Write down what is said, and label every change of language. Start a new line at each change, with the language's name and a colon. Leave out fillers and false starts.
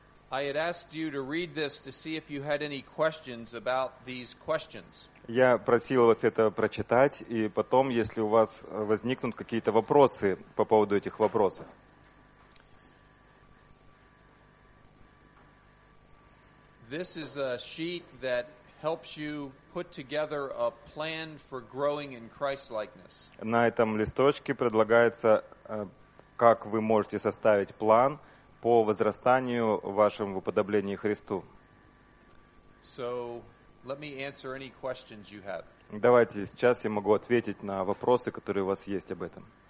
English: I had asked you to read this to see if you had any questions about these questions.
Russian: Я просил вас это прочитать, и потом, если у вас возникнут какие-то вопросы по поводу этих вопросов.
English: This is a sheet that helps you put together a plan for growing in Christ-likeness.
Russian: На этом листочке предлагается, как вы можете составить план по возрастанию вашему в уподоблении Христу.
English: So, let me answer any questions you have.
Russian: Давайте сейчас я могу ответить на вопросы, которые у вас есть об этом.